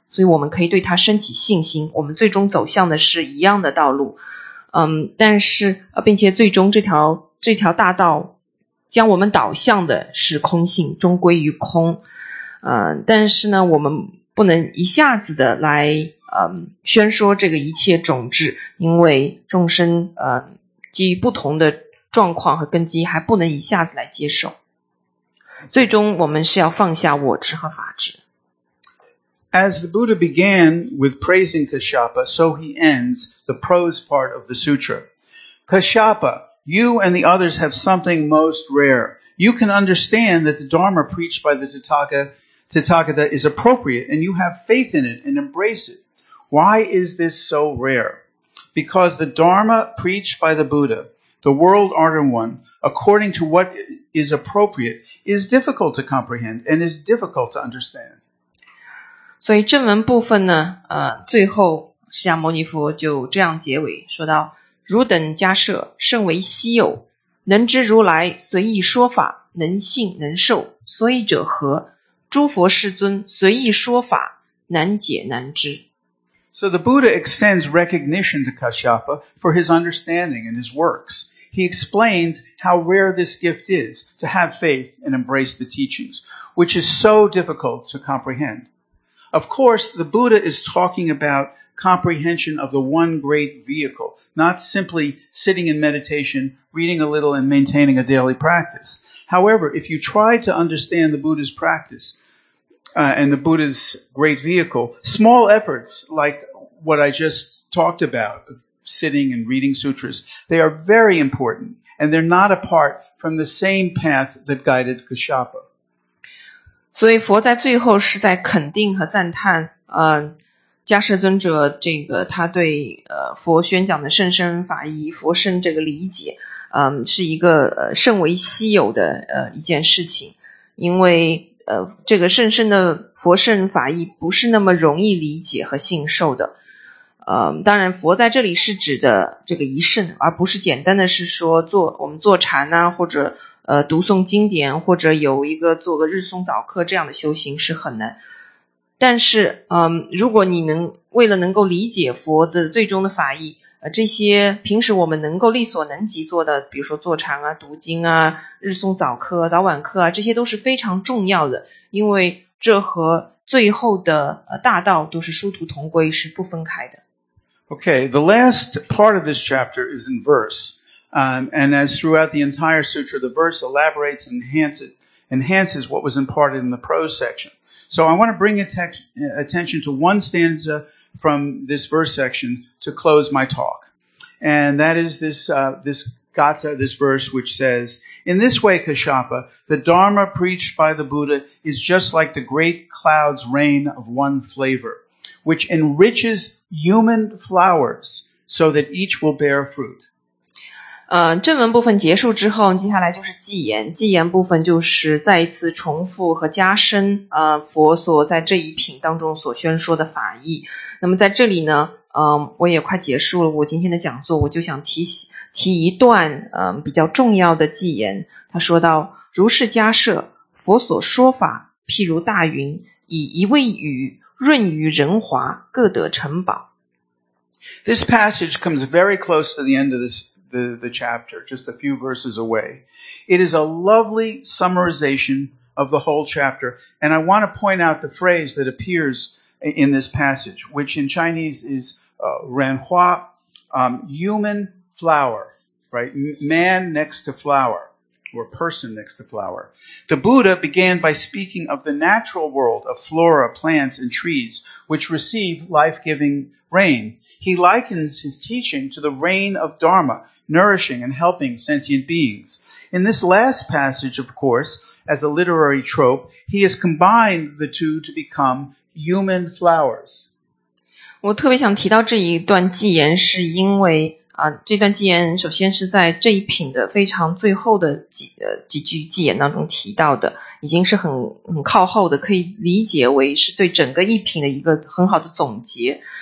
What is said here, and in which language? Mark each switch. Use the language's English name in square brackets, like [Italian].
[Chinese] 所以我们可以对他升起信心，我们最终走向的是一样的道路，但是并且最终这条大道将我们导向的是空性，终归于空，但是呢，我们不能一下子的来宣说这个一切种子，因为众生基于不同的状况和根基还不能一下子来接受，最终我们是要放下我执和法执。 [English] As the Buddha began with praising Kashyapa, so he ends the prose part of the sutra. Kashyapa, you and the others have something most rare. You can understand that the Dharma preached by the Tathagata is appropriate, and you have faith in it and embrace it. Why is this so rare? Because the Dharma preached by the Buddha, the World Ardent One, according to what is appropriate, is difficult to comprehend and is difficult to understand. [Chinese] 所以正文部分呢，最后释迦牟尼佛就这样结尾说道：汝等迦舍，甚为稀有，能知如来随意说法，能信能受，所以者何？诸佛世尊随意说法，难解难知。 [English] So the Buddha extends recognition to Kashyapa for his understanding and his works. He explains how rare this gift is to have faith and embrace the teachings, which is so difficult to comprehend. Of course, the Buddha is talking about comprehension of the one great vehicle, not simply sitting in meditation, reading a little, and maintaining a daily practice. However, if you try to understand the Buddha's practice, and the Buddha's great vehicle, small efforts like what I just talked about, sitting and reading sutras, they are very important, and they're not apart from the same path that guided Kashyapa. [Chinese] 所以佛在最后是在肯定和赞叹，迦舍尊者这个他对佛宣讲的甚深法义、佛身这个理解，是一个甚为稀有的一件事情，因为这个甚深的佛圣法义不是那么容易理解和信受的。当然佛在这里是指的这个一圣，而不是简单的是说我们坐禅啊，或者读诵经典，或者有一个做个日诵早课这样的修行是很难。但是如果你能为了能够理解佛的最终的法义，这些平时我们能够力所能及做的，比如说坐禅啊、读经啊、日诵早课、早晚课啊，这些都是非常重要的，因为这和最后的大道都是殊途同归，是不分开的。 [English] Okay, the last part of this chapter is in verse, and as throughout the entire sutra, the verse elaborates and enhances what was imparted in the prose section. So I want to bring attention to one stanza from this verse section to close my talk. And that is this gatha, this verse, which says, in this way, Kashyapa, the Dharma preached by the Buddha is just like the great cloud's rain of one flavor, which enriches human flowers so that each will bear fruit. [Chinese] 正文部分结束之后，接下来就是偈言。偈言部分就是再一次重复和加深佛所在这一品当中所宣说的法义。那么在这里呢，我也快结束了我今天的讲座，我就想提一段比较重要的偈言。他说到：如是迦舍，佛所说法譬如大云，以一味雨润于人华，各得城堡。 [English] This passage comes very close to the end of the chapter, just a few verses away. It is a lovely summarization of the whole chapter, and I want to point out the phrase that appears in this passage, which in Chinese is renhua, human flower, right? Man next to flower, or person next to flower. The Buddha began by speaking of the natural world of flora, plants, and trees, which receive life-giving rain. He likens his teaching to the rain of Dharma, nourishing and helping sentient beings. In this last passage, of course, as a literary trope, he has combined the two to become human flowers. [Chinese] 我特别想提到这一段偈言，是因为这段偈言首先是在这一品的非常最后的几句偈言当中提到的，已经是很靠后的，可以理解为是对整个一品的一个很好的总结。